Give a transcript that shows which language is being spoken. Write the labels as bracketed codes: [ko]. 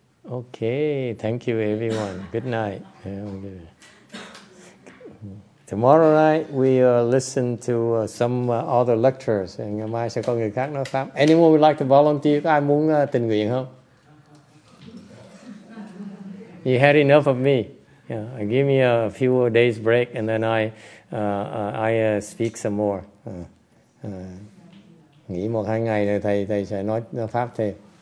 [en] Okay, thank you everyone. Good night. Okay. Tomorrow night we listen to some other lectures. [vi] Ngày mai sẽ có người khác nói pháp. [en] Anyone would like to volunteer? [vi] Ai muốn tình nguyện không? [en] You had enough of me. Yeah, give me a few days break and then I speak some more. [vi] Nghỉ một hai ngày rồi thầy sẽ nói pháp thêm.